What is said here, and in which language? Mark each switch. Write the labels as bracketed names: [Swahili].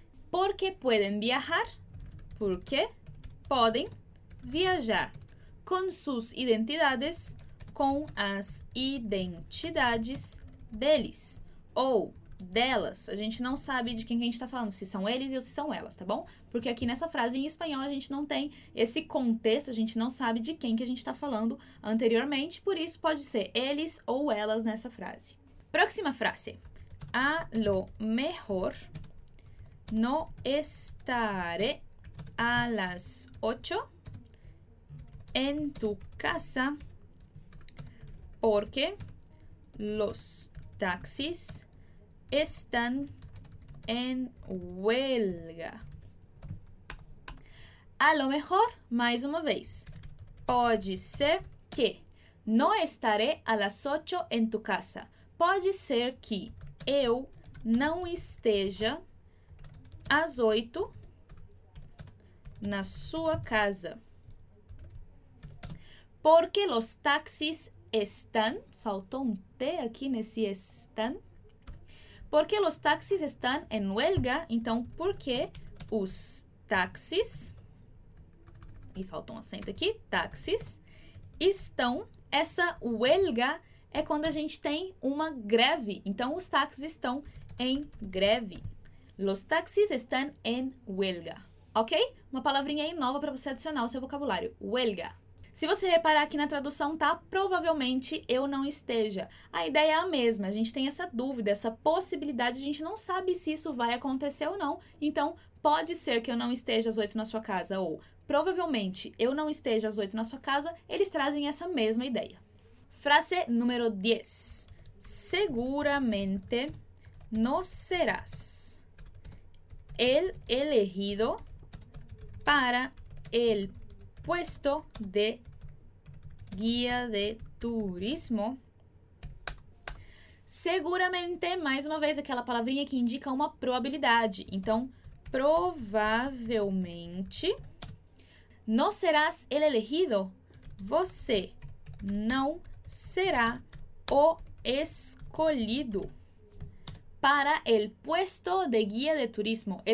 [Spanish] Porque pueden viajar, porque pueden viajar con sus identidades, [Portuguese] com as identidades deles ou delas. A gente não sabe de quem a gente está falando, se são eles ou se são elas, tá bom? Porque aqui nessa frase em espanhol a gente não tem esse contexto, a gente não sabe de quem que a gente está falando anteriormente, por isso pode ser eles ou elas nessa frase. Próxima frase. [Spanish] A lo mejor no estaré a las 8 en tu casa porque los taxis están en huelga. A lo mejor, [Portuguese] mais uma vez, pode ser que [Spanish] no estaré a las 8 en tu casa. [Portuguese] Pode ser que eu não esteja às 8 na sua casa. [Spanish] Porque los taxis están. [Portuguese] Faltou um T aqui nesse están. [Spanish] Porque los taxis están en huelga. [Portuguese] Então, porque os táxis. E falta um acento aqui. Táxis estão. Essa huelga. É quando a gente tem uma greve. Então, os táxis estão em greve. [Spanish] Los taxis están en huelga. [Portuguese] Ok? Uma palavrinha aí nova para você adicionar ao seu vocabulário. Huelga. Se você reparar aqui na tradução, tá? Provavelmente eu não esteja. A ideia é a mesma. A gente tem essa dúvida, essa possibilidade. A gente não sabe se isso vai acontecer ou não. Então, pode ser que eu não esteja às 8 na sua casa. Ou provavelmente eu não esteja às 8 na sua casa. Eles trazem essa mesma ideia. Frase número 10. [Spanish] Seguramente no serás el elegido para el puesto de guía de turismo. [Portuguese] Seguramente, mais uma vez, aquela palavrinha que indica uma probabilidade. Então, provavelmente, [Spanish] no serás el elegido, [Portuguese] você não será o escolhido [Spanish] para el puesto de guía de turismo.